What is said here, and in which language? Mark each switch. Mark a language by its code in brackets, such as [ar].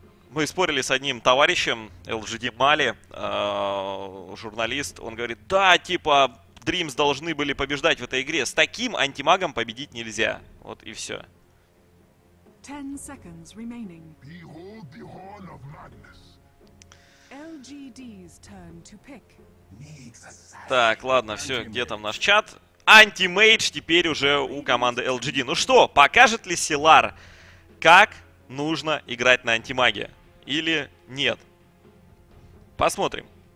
[ru] Мы спорили с одним товарищем, LGD Mali, журналист. Он говорит, да, типа, Dreams должны были побеждать в этой игре. С таким антимагом победить нельзя. Вот и все. 10 секунд remaining. [en] Behold the horn of madness. LGD's turn to pick. [ru] Так, ладно, все, где там наш чат? Антимейдж теперь уже у команды LGD. Ну что, покажет ли Силар, как нужно играть на антимаге? Или нет? Посмотрим.